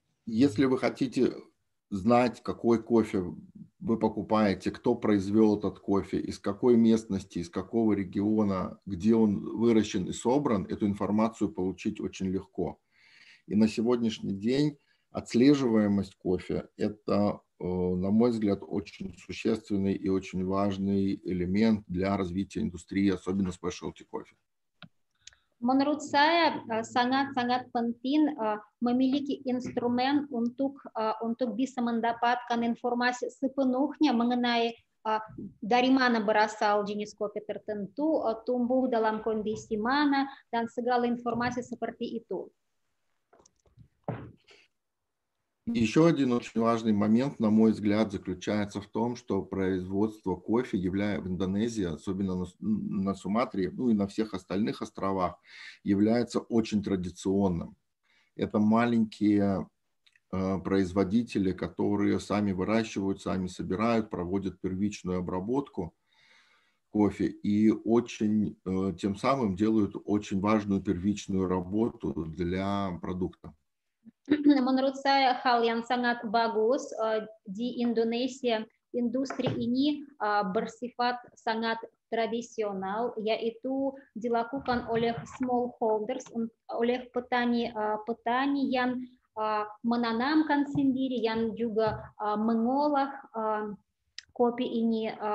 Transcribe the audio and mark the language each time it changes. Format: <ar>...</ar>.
<ru>Если вы хотите знать, какой кофе вы покупаете, кто произвел этот кофе, из какой местности, из какого региона, где он выращен и собран, эту информацию получить очень легко. И на сегодняшний день отслеживаемость кофе – это, на мой взгляд, очень существенный и очень важный элемент для развития индустрии, особенно спешлти кофе.</ru> <id>Menurut saya sangat-sangat penting memiliki instrumen untuk bisa mendapatkan informasi sepenuhnya mengenai dari mana berasal jenis kopi tertentu, tumbuh dalam kondisi mana, dan segala informasi seperti itu.</id> <ru>Еще один очень важный момент, на мой взгляд, заключается в том, что производство кофе, в Индонезии, особенно на Суматре, ну и на всех остальных островах, является очень традиционным. Это маленькие производители, которые сами выращивают, сами собирают, проводят первичную обработку кофе и очень, тем самым делают очень важную первичную работу для продукта.</ru> <id>Menurut saya hal yang sangat bagus di Indonesia, industri ini bersifat sangat tradisional, yaitu dilakukan oleh smallholders, oleh petani yang menanamkan sendiri, yang juga mengolah kopi ini.</id>